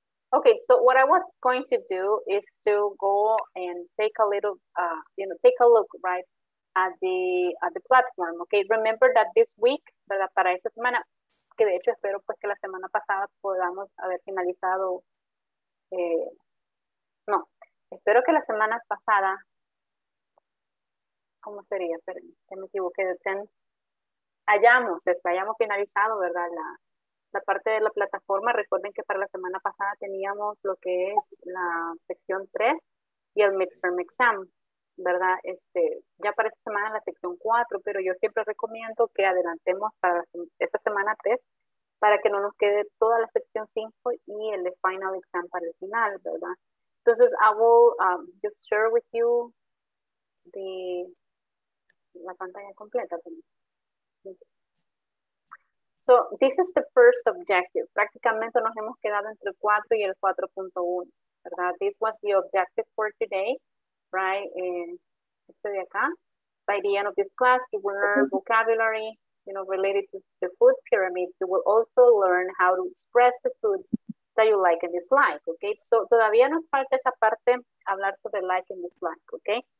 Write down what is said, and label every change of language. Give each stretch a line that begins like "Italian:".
English: Okay, so what I was going to do is to go and take a little, take a look, right, at the platform, okay? Remember that this week, ¿verdad?
Spanish: Para esta semana, que de hecho espero pues que la semana pasada podamos haber finalizado, no, espero que la semana pasada, ¿cómo sería? Esperen, que me equivoqué de tense. Hayamos finalizado, ¿verdad? La parte de la plataforma, recuerden que para la semana pasada teníamos lo que es la sección 3 y el midterm exam, ¿verdad? Ya para esta semana la sección 4, pero yo siempre recomiendo que adelantemos para esta semana 3 para que no nos quede toda la sección 5 y el de final exam para el final, ¿verdad?
English: Entonces, I will just share with you
Spanish: la pantalla completa.
English: So, this is the first objective.
Spanish: Prácticamente nos hemos quedado entre el 4 y el 4.1, ¿verdad?
English: This was the objective for today, right?
Spanish: Este de acá.
English: By the end of this class, you will learn vocabulary, you know, related to the food pyramid. You will also learn how to express the food that you like and dislike, okay?
Spanish: So, todavía nos falta esa parte, hablar sobre
English: like and dislike,
Spanish: okay?